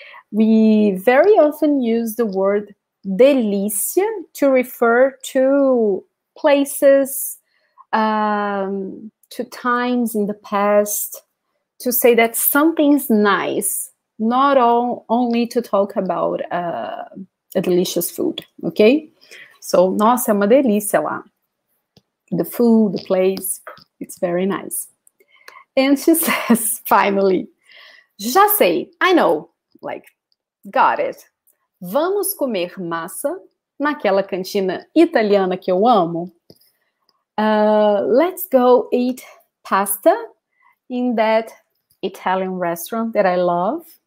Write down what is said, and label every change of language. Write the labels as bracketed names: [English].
[English] We very often use the word delícia to refer to places, to times in the past, to say that something's nice, not all only to talk about a delicious food, okay? So, [Portuguese] nossa, é uma delícia lá. [English] The food, the place, it's very nice. And she says, finally, [Portuguese] já sei, [English] I know, like, got it. [Portuguese] Vamos comer massa naquela cantina italiana que eu amo? [English] Let's go eat pasta in that Italian restaurant that I love.